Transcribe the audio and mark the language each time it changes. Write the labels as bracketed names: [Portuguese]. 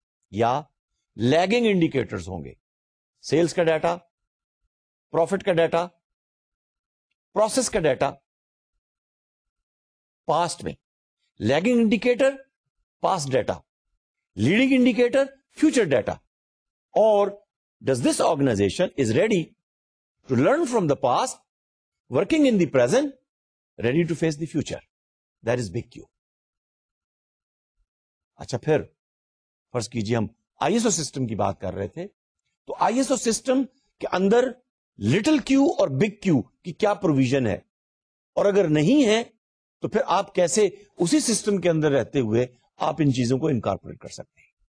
[English] یا lagging indicators ہوں گے, سیلز کا ڈیٹا, پروفٹ کا ڈیٹا, پروسیس کا ڈیٹا پاسٹ میں, lagging indicator past data, leading indicator future data. or does this organization is ready to learn from the past, working in the present, ready to face the future. That is big Q. [Urdu] اچھا پھر فرض کیجئے ہم I S O system کی بات کر رہے تھے تو آئی ایس او سسٹم کے اندر لٹل کیو اور بگ کیو کی کیا پروویژن ہے اور اگر نہیں ہے تو پھر آپ کیسے اسی سسٹم کے اندر رہتے ہوئے آپ ان چیزوں کو انکارپوریٹ کر سکتے ہیں.